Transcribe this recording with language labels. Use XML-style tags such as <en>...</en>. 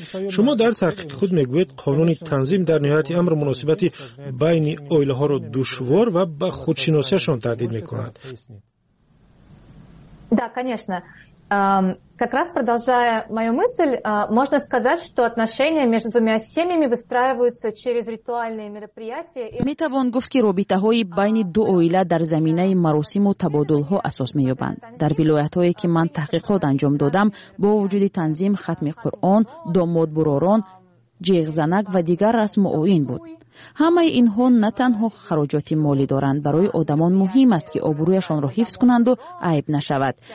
<fa>شما در تحقیق خود میگوید قانون تنظیم در نهایت امر مناسبت بین اویله ها را دشوار و به خودشناسی شان تهدید میکند.</fa> <ru>Да, конечно. Как раз продолжая мою мысль, можно сказать, что отношения между двумя семьями выстраиваются через ритуальные мероприятия.</ru> <tg>Метавон гуфки робитаҳои байни ду оила дар заминаи маросиму табодулҳо асос меёбанд. Дар вилоятҳое ки ман таҳқиқот анҷом додам, бо вуҷуди танзим хатми Қуръон, домод буророн, ҷиғзанак ва дигар расму оин буд.</tg> <fa>همه اینها نه تنها خراجات مالی دارند، برای آدمان مهم است که آبرویشان را حفظ کنند و عیب نشود.</fa>